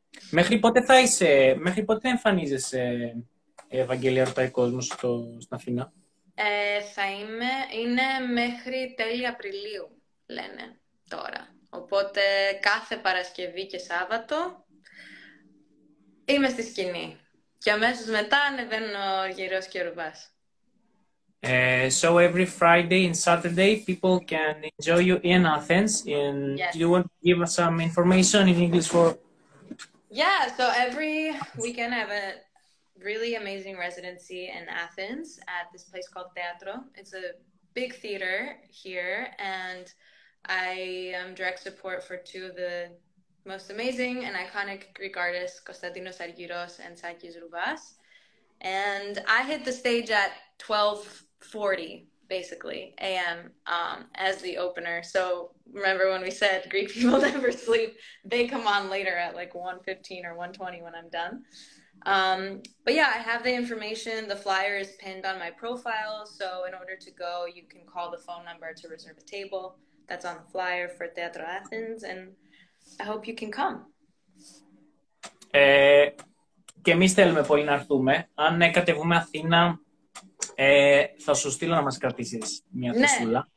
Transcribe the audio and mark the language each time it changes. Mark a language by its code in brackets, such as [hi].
[el] Μέχρι πότε θα είσαι, μέχρι πότε εμφανίζεσαι, Ευαγγελία, ρωτάει κόσμος στην Αθήνα? Θα είμαι, είναι μέχρι τέλη Απριλίου, λένε τώρα. Οπότε κάθε Παρασκευή και Σάββατο είμαι στη σκηνή. Και αμέσως μετά ανεβαίνω γύρω και ρουβάς. [en] So every Friday and Saturday people can enjoy you in Athens. Yes. Do you want to give us some information in English for... Yeah, so every weekend I have a really amazing residency in Athens at this place called Teatro. It's a big theater here, and I am direct support for two of the most amazing and iconic Greek artists, Konstantinos Argyros and Sakis Roubas. And I hit the stage at 12:40, basically, a.m., as the opener. So remember when we said Greek people never sleep? They come on later at like 1:15 or 1:20 when I'm done. But yeah, I have the information. The flyer is pinned on my profile. So in order to go, you can call the phone number to reserve a table. That's on the flyer for Teatro Athens, and I hope you can come. [el] Και εμείς θέλουμε πολύ να έρθουμε. Αν κατεβούμε Αθήνα, θα σου στείλω να μας κρατήσεις μια θεσούλα.